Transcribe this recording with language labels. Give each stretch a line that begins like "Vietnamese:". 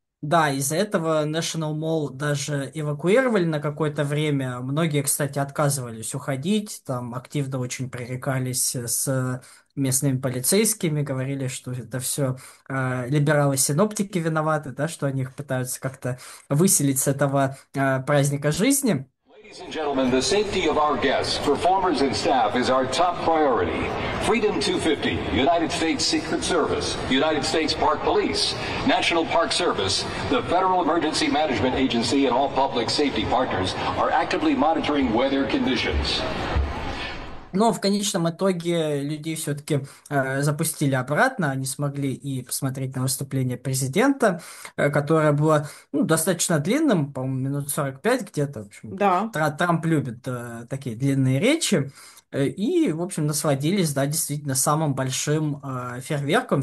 Russian: Из-за этого National Mall даже эвакуировали на какое-то время. Многие, кстати, отказывались уходить, там активно очень пререкались с местными полицейскими, говорили, что это все либералы-синоптики виноваты, да, что они их пытаются как-то выселить с этого праздника жизни.
English: Ladies and gentlemen, the safety of our guests, performers and staff is our top priority. Freedom 250, United States Secret Service, United States Park Police, National Park Service, the Federal Emergency Management Agency, and all public safety partners are actively monitoring weather conditions.
Russian: Но в конечном итоге людей все-таки запустили обратно. Они смогли и посмотреть на выступление президента, которое было, ну, достаточно длинным, по-моему, минут 45 где-то. В общем, Да. Трамп любит такие длинные речи. И, в общем, насладились, да, действительно, самым большим фейерверком.